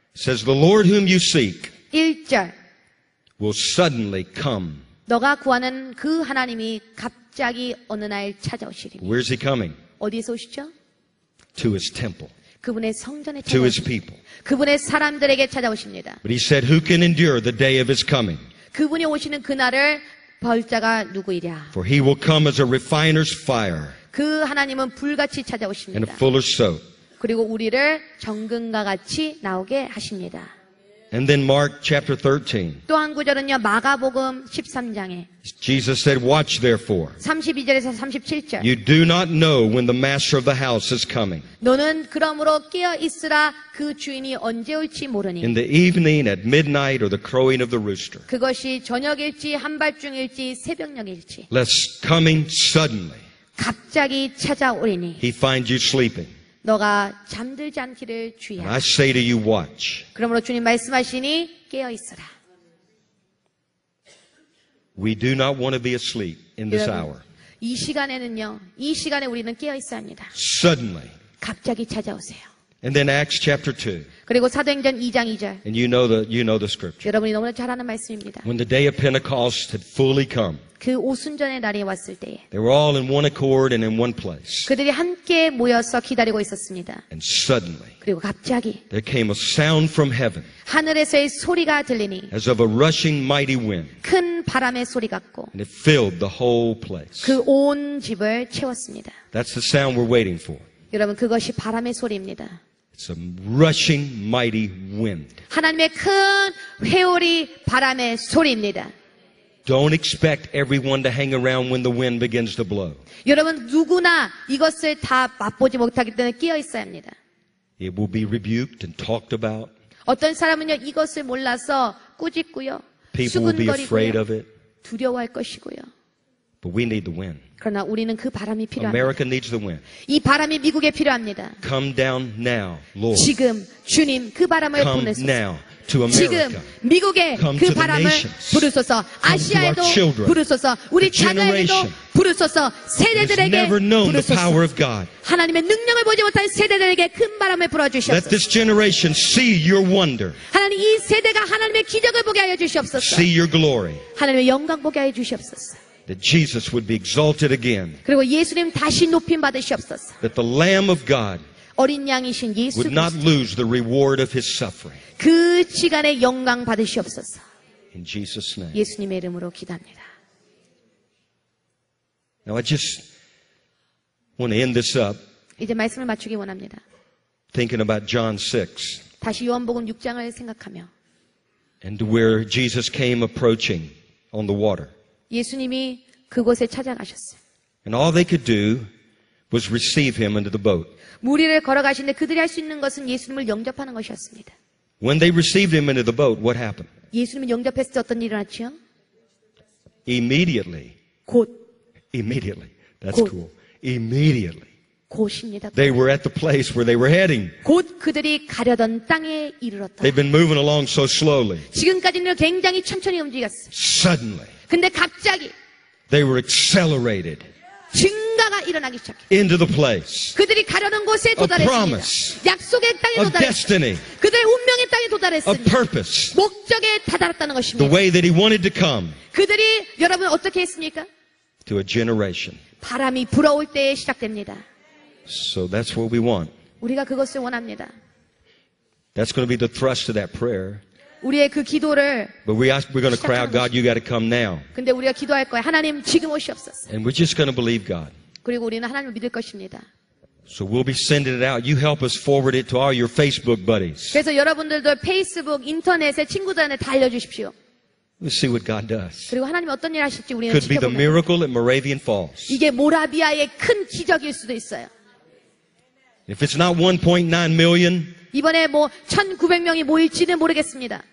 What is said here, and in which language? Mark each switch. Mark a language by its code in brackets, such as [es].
[en] says the Lord whom you seek [ko] 1절 [en] will suddenly come. [ko] 너가 구하는 그 하나님이 갑자기 어느 날 찾아오시리니. [en] Where is he coming? [ko] 어디에서 오시죠? [en] To his temple. [ko] 그분의 성전에 찾아오시. [en] To his people. [ko] 그분의 사람들에게 찾아오십니다. [en] But he said who can endure the day of his coming? [ko] 그분이 오시는 그날을 볼 자가 누구이랴? [en] For he will come as a refiner's fire. [ko] 그 하나님은 불같이 찾아오십니다. [en] And a fuller soap. [ko] 그리고 우리를 정금과 같이 나오게 하십니다. [en] And then Mark chapter 13. [ko] 또 한 구절은요. 마가복음 13장에 [en] Jesus said, "Watch therefore." [ko] 32절에서 37절. [en] You do not know when the master of the house is coming. [ko] 너는 그러므로 깨어 있으라 그 주인이 언제 올지 모르니. [en] In the evening, at midnight, or the crowing of the rooster. [ko] 그것이 저녁일지 한밤중일지 새벽녘일지. [en] Let's coming suddenly. [ko] 갑자기 찾아오리니. [en] He finds you sleeping. [ko] 너가 잠들지 않기를 주의하라. [en] I say to you, watch. [ko] 그러므로 주님 말씀하시니 깨어 있으라. [en] We do not want to be asleep in this hour. [ko] 이 시간에는요, 이 시간에 우리는 깨어 있어야 합니다. [en] Suddenly. [ko] 갑자기 찾아오세요. [en] And then Acts chapter 2. [ko] 그리고 사도행전 2장 2절. [en] And you know the scripture. [ko] 여러분이 너무나 잘 아는 말씀입니다. [en] When the day of Pentecost had fully come. [ko] 그 오순절의 날이 왔을 때에. [en] They were all in one accord and in one place. [ko] 그들이 함께 모여서 기다리고 있었습니다. [en] And suddenly. [ko] 그리고 갑자기. [en] There came a sound from heaven. [ko] 하늘에서의 소리가 들리니. [en] As of a rushing mighty wind. [ko] 큰 바람의 소리 같고. [en] And it filled the whole place. [ko] 그 온 집을 채웠습니다. [en] That's the sound we're waiting for. [ko] 여러분 그것이 바람의 소리입니다. [en] It's a rushing mighty wind. [ko] 하나님의 큰 회오리 바람의 소리입니다. [en] Don't expect everyone to hang around when the wind begins to blow. [ko] 여러분 누구나 이것을 다 맛보지 못하기 때문에 끼어 있어야 합니다. [en] It will be rebuked and talked about. [ko] 어떤 사람은요 이것을 몰라서 꾸짖고요. [en] People will be afraid of it. [ko] 두려워할 것이고요. [en] But we need the wind. [ko] 그러나 우리는 그 바람이 필요합니다. [en] America needs the wind. [ko] 이 바람이 미국에 필요합니다. [en] Come down now, Lord. [ko] 지금 주님 그 바람을 [en] Come [ko] 보내소서. [en] Come now to America. [ko] 지금 미국에 [en] Come [ko] 그 바람을 부르소서. 아시아에도 부르소서. 우리 자녀에게도 부르소서. 세대들에게 부르소서. 하나님의 능력을 보지 못한 세대들에게 큰 바람을 불어주시옵소서. [en] Let this generation see your wonder. [ko] 하나님 이 세대가 하나님의 기적을 보게 하여 주시옵소서. [en] See your glory. [ko] 하나님의 영광 보게 하여 주시옵소서. [en] That Jesus would be exalted again. [ko] 그리고 예수님 다시 높임 받으시옵소서. [en] That the Lamb of God [ko] 어린 양이신 예수 [en] would not lose the reward of His suffering. [ko] 그 시간에 영광 받으시옵소서. [en] In Jesus' name. [ko] 예수님의 이름으로 기도합니다. [en] Now I just want to end this up. [ko] 이제 말씀을 마치기 원합니다. [en] Thinking about John 6. [ko] 다시 요한복음 6장을 생각하며. [en] And where Jesus came approaching on the water. [ko] 예수님이 그곳에 찾아가셨어요. [en] And all they could do was receive him into the boat. [ko] 무리를 걸어가시는데 그들이 할 수 있는 것은 예수님을 영접하는 것이었습니다. [en] When they received him into the boat, what happened? [ko] 예수님을 영접했을 때 어떤 일이 일어났죠? [en] Immediately. [ko] 곧. [en] Immediately. That's 곧. Cool. Immediately. [ko] 곧입니다. 곧. [en] They were at the place where they were heading. [ko] 곧 그들이 가려던 땅에 이르렀다. [en] They've been moving along so slowly. [ko] 지금까지는 굉장히 천천히 움직였어요. [en] Suddenly. [ko] 근데 갑자기 [en] They were accelerated [ko] 증가가 일어나기 시작해 [en] into the place [ko] 그들이 가려는 곳에 도달했습니다. 약속의 땅에 도달했습니다. 그들의 운명의 땅에 도달했습니다. [en] A purpose [ko] 목적에 다다랐다는 것입니다. [en] The way that he wanted to come [ko] 그들이 여러분 어떻게 했습니까? [en] To a generation [ko] 바람이 불어올 때에 시작됩니다. [en] So that's what we want [ko] 우리가 그것을 원합니다. [en] That's going to be the thrust of that prayer [ko] 우리의 그 기도를 [en] But we ask, we're going to cry out, God, you got to come now. [ko] 근데 우리가 기도할 거예요. 하나님 지금 오시옵소서. [en] And we're just going to believe God. [ko] 그리고 우리는 하나님을 믿을 것입니다. [en] So we'll be sending it out. You help us forward it to all your Facebook buddies. [ko] 그래서 여러분들도 페이스북, 인터넷에 친구들한테 다 알려주십시오. [en] We'll see what God does. [ko] 그리고 하나님이 어떤 일 하실지 우리는 [en] Could be the miracle at Moravian Falls. [ko] 이게 모라비아의 큰 기적일 수도 있어요. [en] If it's not 1.9 million, [ko] 이번에 뭐 1,900명이 모일지는 모르겠습니다.